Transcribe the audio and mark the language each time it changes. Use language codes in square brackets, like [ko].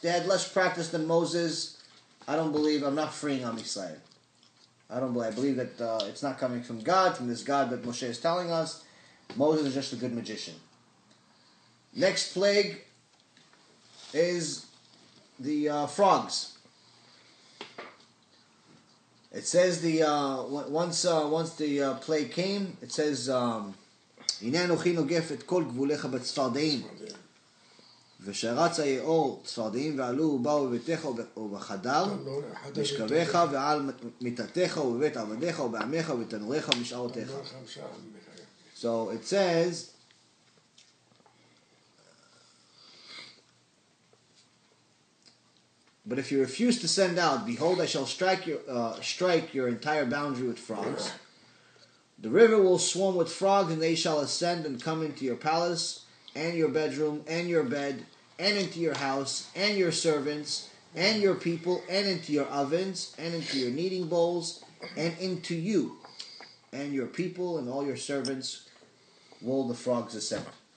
[en] They had less practice than Moses. I don't believe, I'm not freeing Am Yisrael. I don't believe, I believe that it's not coming from God, from this God that Moshe is telling us. Moses is just a good magician. Next plague is the frogs. It says once the play came, it says [he] הנה אנוכי נוגף את כל גבוליך בצפרדעים ושרצה יאור צפרדעים ועלו ובאו בביתך ובחדר משכבך ועל מיטתך ובבית עבדיך ובעמך ובתנוריך ומשארותיך. [en] So it says but if you refuse to send out, behold, I shall strike your entire boundary with frogs. The river will swarm with frogs, and they shall ascend and come into your palace, and your bedroom, and your bed, and into your house, and your servants, and your people, and into your ovens, and into your kneading bowls, and into you, and your people, and all your servants will the frogs ascend.